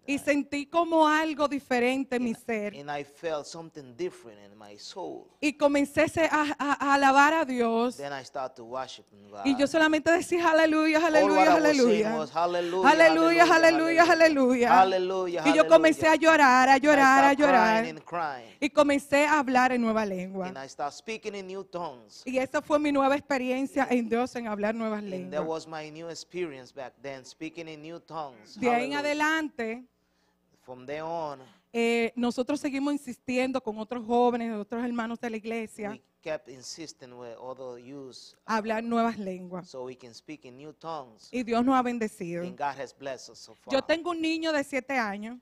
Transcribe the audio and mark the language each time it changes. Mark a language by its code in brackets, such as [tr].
[es] Y sentí como algo diferente en mi ser. [en] And I felt something different in my soul. [es] Y comencé a alabar a Dios. [en] Then I started to worship God. [es] Y yo solamente decía aleluya, aleluya, aleluya. [en] Hallelujah, hallelujah, hallelujah, hallelujah. Hallelujah. [es] Y yo comencé a llorar, a llorar, a llorar. [en] Crying and crying. [es] Y comencé a hablar en nueva lengua. [en] And I started speaking in new tongues. [es] Y esa fue mi nueva experiencia en Dios en hablar nuevas lenguas. [en] And that was my new experience back then, speaking in new tongues. [es] De ahí en adelante, [en] from then on, [es] nosotros seguimos insistiendo con otros jóvenes, otros hermanos de la iglesia. [en] We kept insisting with other youths, [es] hablar nuevas lenguas. [en] So we can speak in new tongues. [es] Y Dios nos ha bendecido. [en] And God has blessed us so far. [es] Yo tengo un niño de 7 años.